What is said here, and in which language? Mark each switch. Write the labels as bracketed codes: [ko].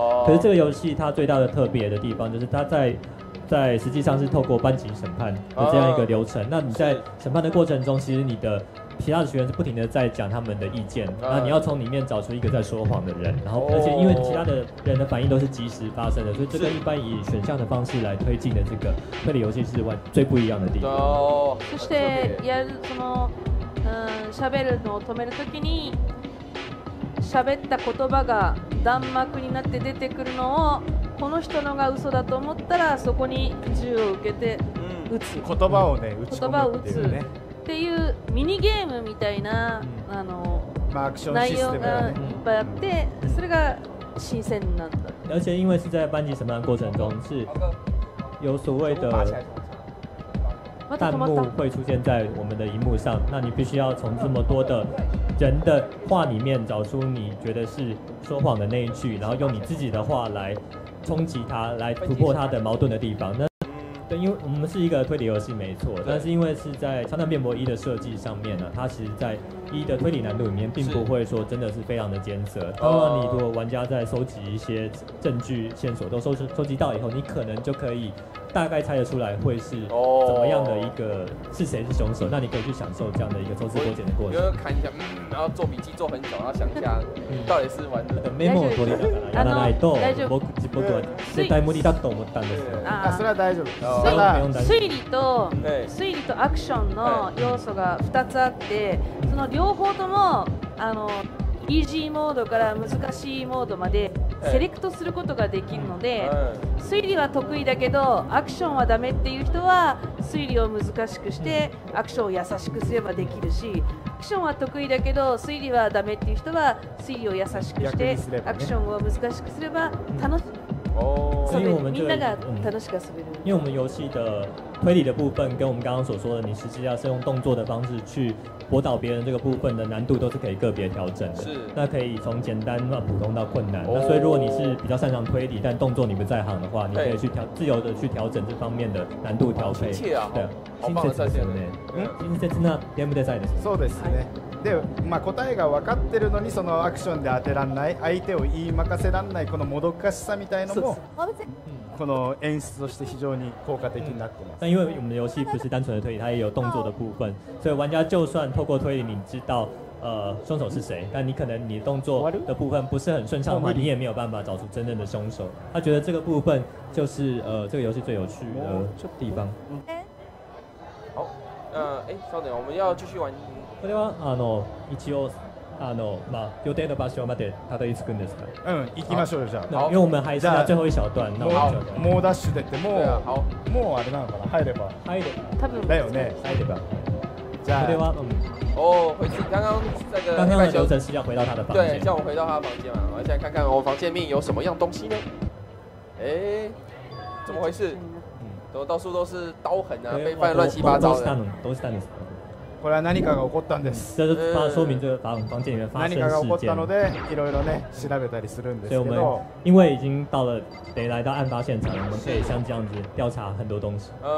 [zh] 可是这个游戏它最大的特别的地方，就是它在实际上是透过班级审判的这样一个流程。那你在审判的过程中，其实你的其他的学员是不停的在讲他们的意见，那你要从里面找出一个在说谎的人。然后，而且因为其他的人的反应都是即时发生的，所以这跟一般以选项的方式来推进的这个推理游戏是最不一样的地方。 [ja] そしてやるその喋るのを止めるときに。喋った言葉が弾幕になって出てくるのをこの人のが嘘だと思ったらそこに銃を受けて撃つ言葉をね撃ち込むっていうねっていうミニゲームみたいなあの、まあ、アクションシステムがいっぱいあってそれが新鮮なんだ [zh] 而且因为是在班级审判过程中是有所谓的弹幕会出现在我们的荧幕上那你必须要从这么多的人的话里面找出你觉得是说谎的那一句然后用你自己的话来冲击他来突破他的矛盾的地方那对因为我们是一个推理游戏没错但是因为是在枪弹辩驳一的设计上面呢它其实在一的推理难度里面并不会说真的是非常的艰涩当然你如果玩家在收集一些证据线索都收集到以后你可能就可以大概猜得出来会是怎么样的一个是谁是凶手那你可以去享受这样的一个抽丝剥茧的过程就看一下然后做笔记做很久然后想一下到底是玩的 [ja] メモを取りながらやらないと僕は絶対無理だと思ったんですよあそれは大丈夫推理とアクションの要素が2つあってその両方ともあのイージーモードから難しいモードまでセレクトすることができるので推理は得意だけどアクションはダメっていう人は推理を難しくしてアクションを優しくすればできるしアクションは得意だけど推理はダメっていう人は推理を優しくしてアクションを難しくすれば楽しく遊べるみんなが楽しく遊べる [zh] 因为我们游戏的推理的部分跟我们刚刚所说的你实际上是用动作的方式去驳倒别人这个部分的难度都是可以个别调整的是那可以从简单到普通到困难那所以如果你是比较擅长推理但动作你不在行的话你可以去自由的去调整这方面的难度调配好亲切啊好棒的 [ja] 设计親切なゲームデザインですそうですねで、まあ、答えが分かってるのにそのアクションで当てらんない相手を言い任せらんないこのもどかしさみたいのもこの演出として非常に効果的になってます [zh] 但因为我们的游戏不是单纯的推理它也有动作的部分所以玩家就算透过推理你知道凶手是谁但你可能你动作的部分不是很顺畅的话你也没有办法找出真正的凶手他觉得这个部分就是这个游戏最有趣的地方好稍等我们要继续玩 [ja] これはあの一応まあ、予定の場所までたどり着くんですか。うん、行きましょうよ。じゃあ [zh] 因为我们还剩下最后一小段，那 [ja] もうダッシュでって、もうもうあれなのかな、入れば入れば多分だよね、入れば。じゃあこれは、うん、 [zh] 哦，回去刚刚这个刚刚的流程是要回到他的房间，对，叫我回到他的房间嘛。我们现在看看我房间里面有什么样东西呢？哎，怎么回事？怎么到处都是刀痕啊，被翻乱七八糟的。都是他们， [ja] これは何かが起こったんです。 [zh] 这是说明这个房间里面发生事件。 [ja] 何かが起こったので、いろいろね調べたりするんですけど。 [zh] 所以我们因为已经到了，得来到案发现场，我们可以像这样子调查很多东西。